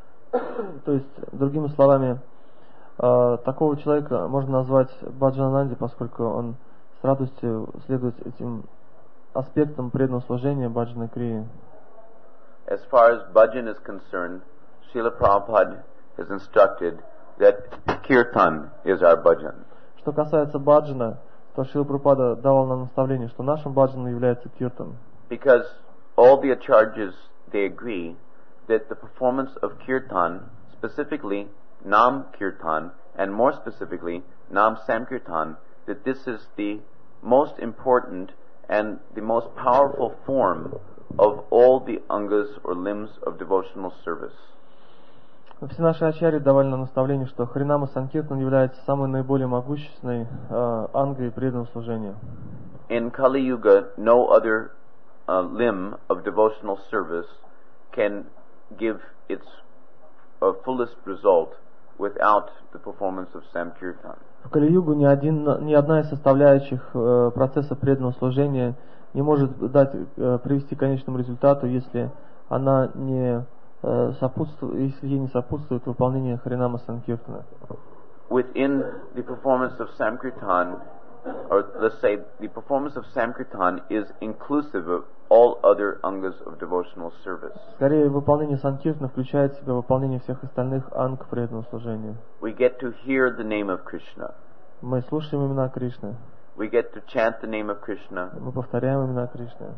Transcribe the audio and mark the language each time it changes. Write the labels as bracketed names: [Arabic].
[Russian] То есть, другими словами, такого человека можно назвать Бхаджананди, поскольку он с радостью следует этим аспектам преданного служения Бхаджана Крии. [English] As far as Bhajan is concerned, Srila Prabhupada has instructed that Kirtan is our Bhajan. [Russian] Что касается Бхаджана, то Шрила Прабхупада давал нам наставление, что нашим Бхаджаном является Киртан. [English] Because all the acharyas, they agree that the performance of kirtan, specifically nam kirtan, and more specifically nam samkirtan, that this is the most important and the most powerful form of all the angas or limbs of devotional service. [Russian] Все наши ачарьи давали нам наставление, что харинама санкиртан является самой наиболее могущественной ангой преданного служения. [English] In Kali Yuga, no other limb of devotional service can give its fullest result without the performance of samkirtan. [Russian] В Кали-Югу ни одна из составляющих процесса преданного служения не может привести к конечному результату, если она не сопутствует выполнению харинама санкиртана. [English] Within the performance of samkirtan, or let's say the performance of samkirtan is inclusive of all other angas of devotional service. [Russian] Скорее, выполнение санкиртана включает в себя выполнение всех остальных анг преданного служения. [English] We get to hear the name of Krishna. [Russian] Мы слушаем имена Кришны. [English] We get to chant the name of Krishna. [Russian] Мы повторяем имена Кришны.